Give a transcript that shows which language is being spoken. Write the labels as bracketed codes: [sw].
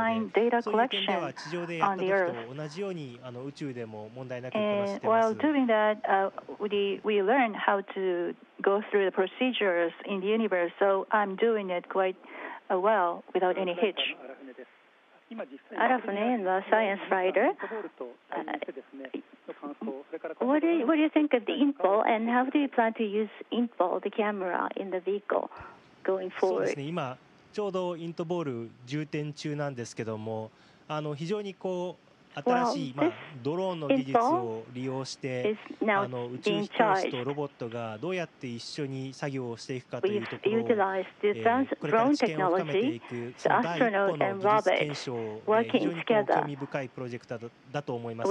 [en] And on the Earth, we already did baseline data collection on the Earth. [ja] そういう点では地上でやった時と同じように宇宙でも問題なくこなしています。 [en] While doing that, we learned how to go through the procedures in the universe, so I'm doing it quite well without any hitch. Arafune, the science writer, what do you think of the INPO, and how do you plan to use INPO, the camera, in the vehicle going forward? [ja] そうですね、今ちょうどインポール充填中なんですけども、非常にこう新しい、まあ、ドローンの技術を利用して、あの宇宙飛行士とロボットがどうやって一緒に作業をしていくかというところを、これから知見を深めていく、その第一歩の技術検証を、非常に興味深いプロジェクターだと思います。